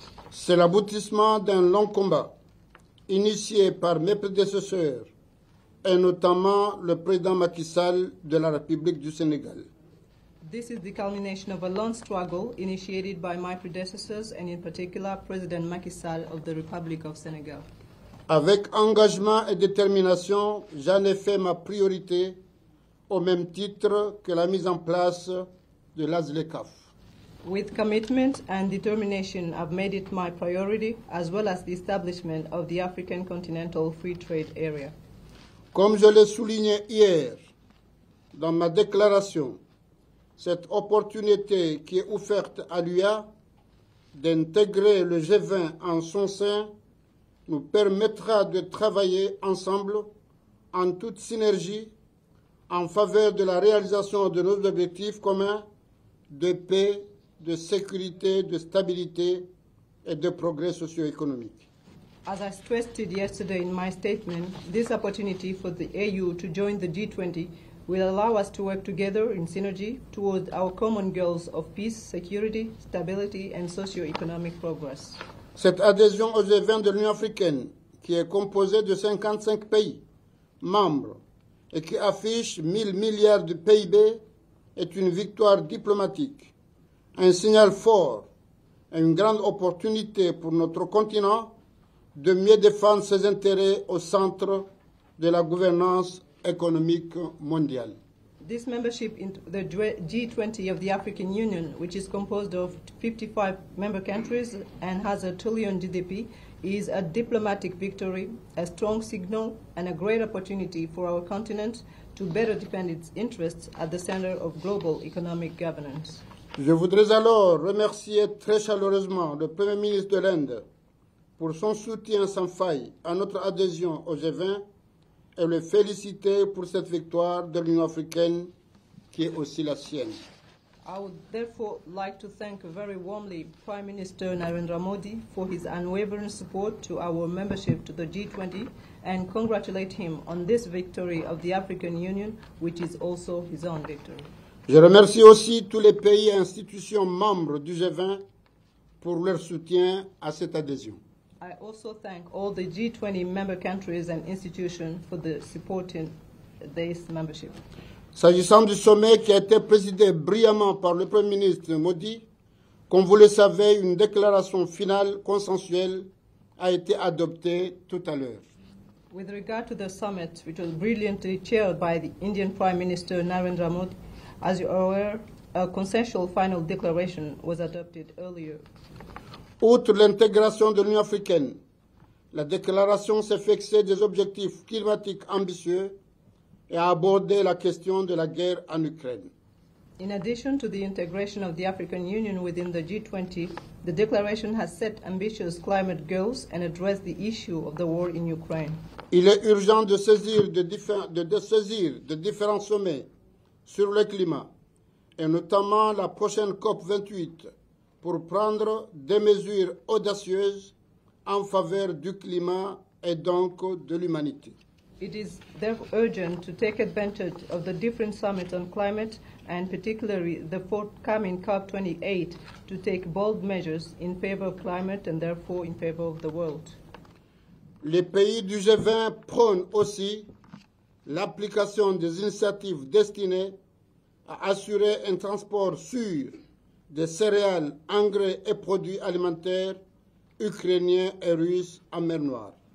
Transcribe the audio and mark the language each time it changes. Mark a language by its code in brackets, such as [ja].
[fr] C'est l'aboutissement d'un long combat initié par mes prédécesseurs et notamment le président Macky Sall de la République du Sénégal. [en] This is the culmination of a long struggle initiated by my predecessors and in particular President Macky Sall of the Republic of Senegal. [fr] Avec engagement et détermination, j'en ai fait ma priorité au même titre que la mise en place de l'ASLECAF. [en] With commitment and determination, I've made it my priority, as well as the establishment of the African Continental Free Trade Area. [fr] Comme je l'ai souligné hier dans ma déclaration, cette opportunité qui est offerte à l'UA d'intégrer le G20 en son sein nous permettra de travailler ensemble en toute synergie en faveur de la réalisation de nos objectifs communs de paix, de sécurité, de stabilité et de progrès socio-économique. [en] As I stressed yesterday in my statement, this opportunity for the AU to join the G20 will allow us to work together in synergy towards our common goals of peace, security, stability and socio-economic progress. [fr] Cette adhésion au G20 de l'Union africaine, qui est composée de 55 pays membres et qui affiche 1 000 milliards de PIB, est une victoire diplomatique, un signal fort et une grande opportunité pour notre continent de mieux défendre ses intérêts au centre de la gouvernance économique mondiale. [en] This membership in the G20 of the African Union, which is composed of 55 member countries and has a trillion GDP, is a diplomatic victory, a strong signal, and a great opportunity for our continent to better defend its interests at the center of global economic governance. [fr] Je voudrais alors remercier très chaleureusement le Premier ministre de l'Inde pour son soutien sans faille à notre adhésion au G20. Et le féliciter pour cette victoire de l'Union africaine qui est aussi la sienne. [en] I would therefore like to thank very warmly Prime Minister Narendra Modi for his unwavering support to our membership to the G20 and congratulate him on this victory of the African Union, which is also his own victory. [fr] Je remercie aussi tous les pays et institutions membres du G20 pour leur soutien à cette adhésion. [en] I also thank all the G20 member countries and institutions for the supporting this membership. [fr] S'agissant du sommet qui a été présidé brillamment par le Premier ministre Modi, comme vous le savez, une déclaration finale consensuelle a été adoptée tout à l'heure. [en] With regard to the summit, which was brilliantly chaired by the Indian Prime Minister Narendra Modi, as you are aware, a consensual final declaration was adopted earlier. [fr] Outre l'intégration de l'Union africaine, la déclaration s'est fixée des objectifs climatiques ambitieux et a abordé la question de la guerre en Ukraine. [en] In addition to the integration of the African Union within the G20, the declaration has set ambitious climate goals and addressed the issue of the war in Ukraine. [fr] Il est urgent de saisir de différents sommets sur le climat et notamment la prochaine COP28. Pour prendre des mesures audacieuses en faveur du climat et donc de l'humanité. [en] It is therefore urgent to take advantage of the different summits on climate and particularly the forthcoming COP28 to take bold measures in favor of climate and therefore in favor of the world. [fr] Les pays du G20 prônent aussi l'application des initiatives destinées à assurer un transport sûr des céréales, engrais et produits alimentaires ukrainiens et russes en mer Noire.